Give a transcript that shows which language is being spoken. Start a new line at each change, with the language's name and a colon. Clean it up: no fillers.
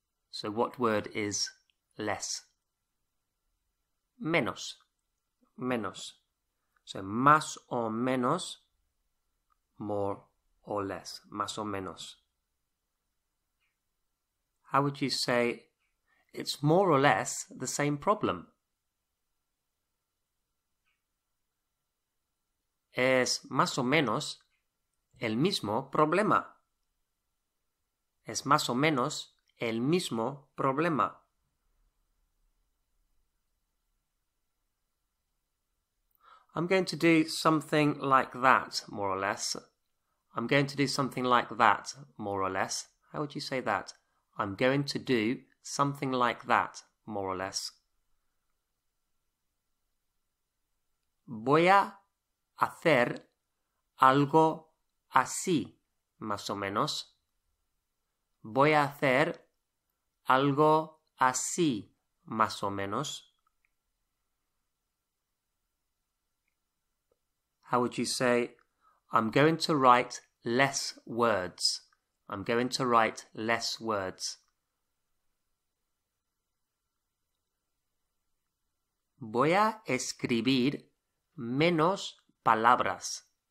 English: So what word is less?
Spanish: Menos, menos. So más o menos,
English: more or less,
Spanish: más o menos.
English: How would you say, it's more or less the same problem?
Spanish: Es más o menos el mismo problema. Es más o menos el mismo problema.
English: I'm going to do something like that, more or less. I'm going to do something like that, more or less. How would you say that? I'm going to do something like that, more or less.
Spanish: Voy a hacer algo así, más o menos. Voy a hacer algo así, más o menos.
English: How would you say, I'm going to write less words? I'm going to write less words.
Spanish: Voy a escribir menos palabras.